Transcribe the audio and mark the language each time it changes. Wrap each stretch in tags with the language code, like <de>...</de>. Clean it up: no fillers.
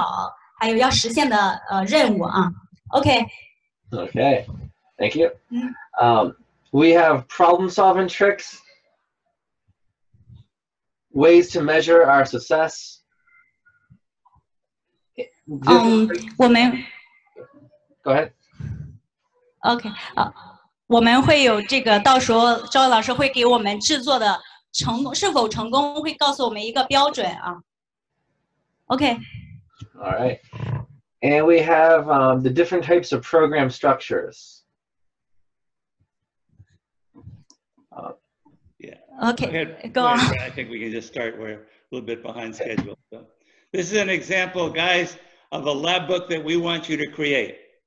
<zh>这个封面到时候会，你们在制作这个实验手册的时候会制作封面第一页，第一页要记录下我们要产生的问题，还有需要用到的技巧，还有要实现的任务啊。Okay.</zh> <en>Okay. Thank you. We have problem-solving tricks, ways to measure our success. Go ahead. Okay.</en> <zh>我们会有这个，到时候赵老师会给我们制作的成功是否成功，会告诉我们一个标准啊。Okay.</zh> <en>All right. And we have the different types of program structures. Yeah. Okay. Go on. I think we can just start. We're a little bit behind schedule. So this is an example, guys, of a lab book that we want you to create.</en>